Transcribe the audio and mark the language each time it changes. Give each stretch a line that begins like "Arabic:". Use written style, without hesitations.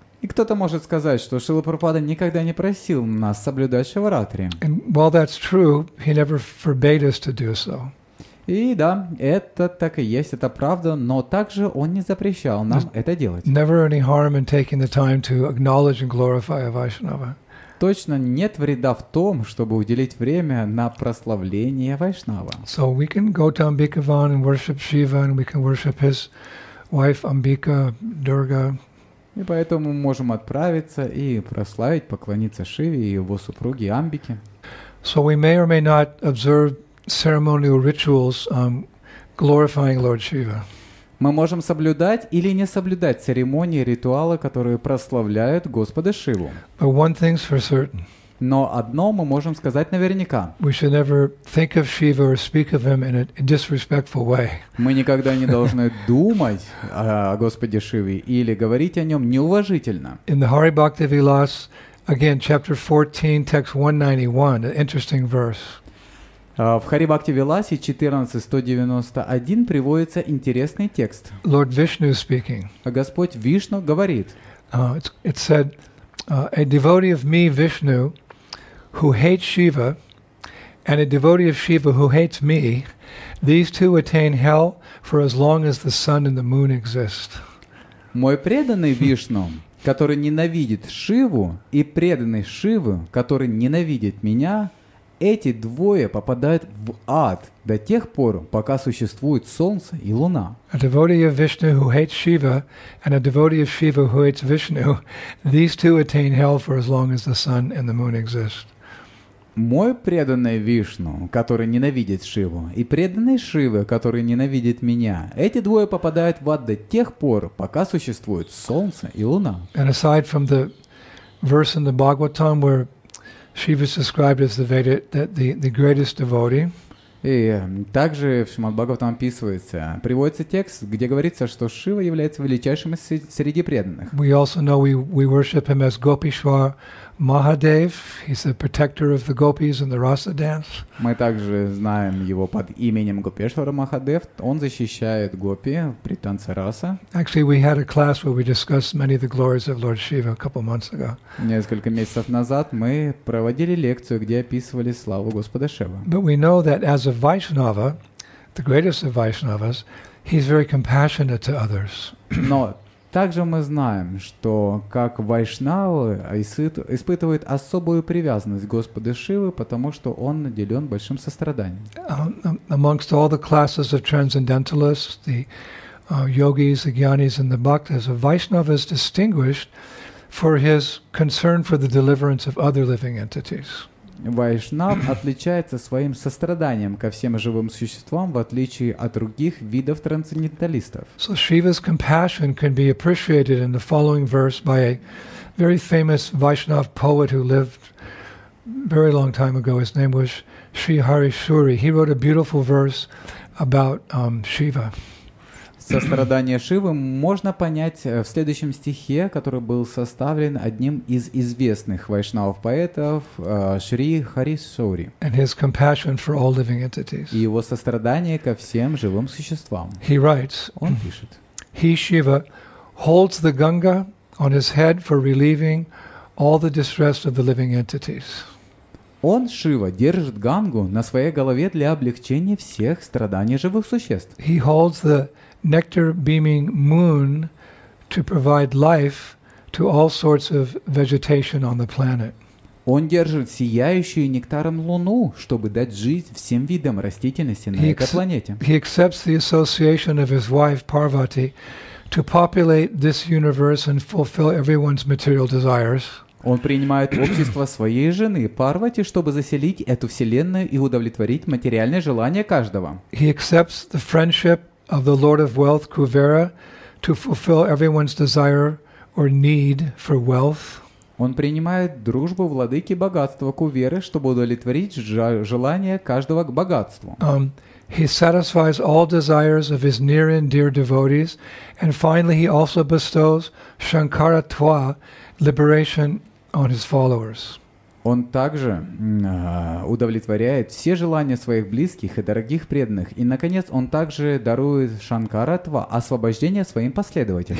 Russian: И кто-то может сказать, что Шрила Прабхупада никогда не просил нас соблюдать Шиваратри.
English: And while that's true, he never forbade us to do so.
Russian: И да, это так и есть, это правда, но также он не запрещал нам это делать.
English: Never any harm in taking the time to acknowledge and glorify a Vaishnava.
Russian: Точно нет вреда в том, чтобы уделить время на прославление Вайшнава.
English: So we can go to Амбикаван and worship Shiva, and we can worship his wife Амбика, Дурга.
Russian: И поэтому мы можем отправиться и прославить, поклониться Шиве и его супруге Амбике.
English: So we may or may not observe ceremonial rituals glorifying Lord Shiva.
Russian: Мы можем соблюдать или не соблюдать церемонии, ритуалы, которые прославляют Господа Шиву.
English: But one thing's for certain.
Russian: Но одно мы можем сказать наверняка.
English: We should never think of Shiva or speak of him in a disrespectful way.
Russian: Мы никогда не должны думать о Господе Шиве или говорить о нем неуважительно.
English: In the Hari Bhakti Vilas, again, chapter 14, text 191, an interesting verse.
Russian: В Харибхакти-виласе 14.191 приводится интересный текст.
English: Lord Vishnu speaking.
Russian: Господь Вишну говорит.
English: It said, a devotee of me, Vishnu, who hates Shiva, and a devotee of Shiva who hates me, these two attain hell for as long as the sun and the moon exist.
Russian: Мой преданный Вишну, который ненавидит Шиву, и преданный Шиву, который ненавидит меня, эти двое попадают в ад до тех пор, пока существует солнце и луна.
English: A devotee of Vishnu who hates Shiva and a devotee of Shiva who hates Vishnu, these two attain hell for as long as the sun and the moon exist.
Russian: Мой преданный Вишну, который ненавидит Шиву, и преданный Шива, который ненавидит меня, эти двое попадают в ад до тех пор, пока существует солнце и луна.
English: And aside from the verse in the Bhagavatam where Shiva is described as the Veda, the greatest devotee.
Russian: И также в Шримад-Бхагаватам описывается, приводится текст, где говорится, что Шива является величайшим из среди преданных.
English: We also know we worship him as Gopishwar Mahadev. He's the protector of the gopis and the rasa dance.
Russian: Мы также знаем его под именем Гопишвара Махадев. Он защищает гопи при танце раса.
English: Actually, we had a class where we discussed many of the glories of Lord Shiva a couple months ago.
Russian: Несколько месяцев назад мы проводили лекцию, где описывали славу Господа Шивы.
English: But we know that as a Vaishnava, the greatest of Vaishnavas, he's very compassionate to others.
Russian: Но также мы знаем, что как Вайшнава испытывает особую привязанность к Господу Шиве, потому что он наделен большим состраданием.
English: Amongst all the classes of transcendentalists, the yogis, the gyanis, and the bhaktas, a Vaishnava is distinguished for his concern for the deliverance of other living entities.
Russian: Вайшнав отличается своим состраданием ко всем живым существам, в отличие от других видов трансценденталистов.
English: So Shiva's compassion can be appreciated in the following verse by a very famous Vaishnav poet who lived very long time ago. His name was Sri Harishuri. He wrote a beautiful verse about Shiva.
Russian: Сострадание Шивы можно понять в следующем стихе, который был составлен одним из известных вайшнав-поэтов Шри Харишоури.
English: And his compassion for all living entities.
Russian: И его сострадание ко всем живым существам.
English: He writes,
Russian: он пишет.
English: He, Shiva, holds the Ganga on his head for relieving all the distress of the living entities.
Russian: Он, Шива, держит Гангу на своей голове для облегчения всех страданий живых существ.
English: He holds the nectar-beaming moon to provide life to all sorts of vegetation on the planet.
Russian: Он держит сияющую нектаром луну, чтобы дать жизнь всем видам растительности на этой планете.
English: He accepts the association of his wife Parvati to populate this universe and fulfill everyone's material desires.
Russian: Он принимает общество своей жены Парвати, чтобы заселить эту вселенную и удовлетворить материальные желания каждого.
English: He accepts the friendship of the Lord of Wealth, Kuvera, to fulfill everyone's desire or need for wealth.
Russian: Он принимает дружбу владыки богатства Куверы, чтобы удовлетворить желание каждого к богатству.
English: He satisfies all desires of his near and dear devotees, and finally he also bestows Shankaratva, liberation on his followers.
Russian: Он также удовлетворяет все желания своих близких и дорогих преданных. И, наконец, он также дарует Шанкаратва освобождение своим последователям.